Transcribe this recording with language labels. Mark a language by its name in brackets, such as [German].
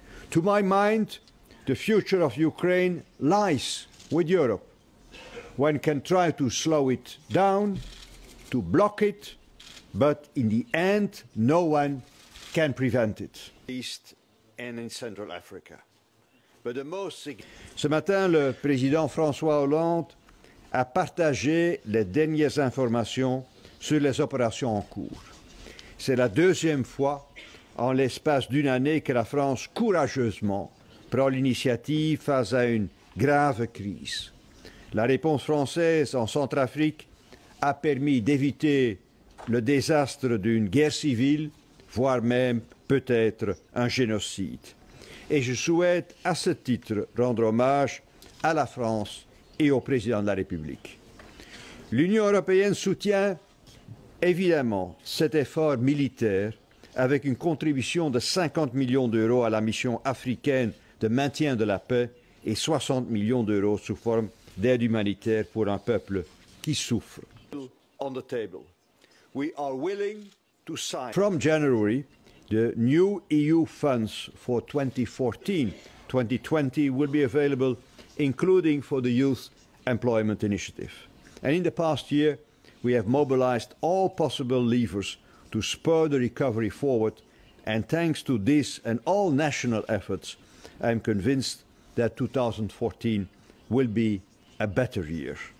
[English] To my mind, the future of Ukraine lies with Europe. One can try to slow it down, to block it, but in the end, no one can prevent it. East and in Central Africa. But the most... [French] Ce matin, le président François Hollande a partagé les dernières informations sur les opérations en cours. C'est la deuxième fois en l'espace d'une année que la France courageusement prend l'initiative face à une grave crise. La réponse française en Centrafrique a permis d'éviter le désastre d'une guerre civile, voire même peut-être un génocide. Et je souhaite à ce titre rendre hommage à la France et au président de la République. L'Union européenne soutient évidemment cet effort militaire avec une contribution de 50 millions d'euros à la mission africaine de maintien de la paix et 60 millions d'euros sous forme d'aide humanitaire pour un peuple qui souffre. [English] On the table. We are willing to sign. From January, the new EU funds for 2014-2020 will be available, including for the Youth Employment Initiative. And in the past year, we have mobilized all possible levers to spur the recovery forward, and thanks to this and all national efforts, I am convinced that 2014 will be a better year.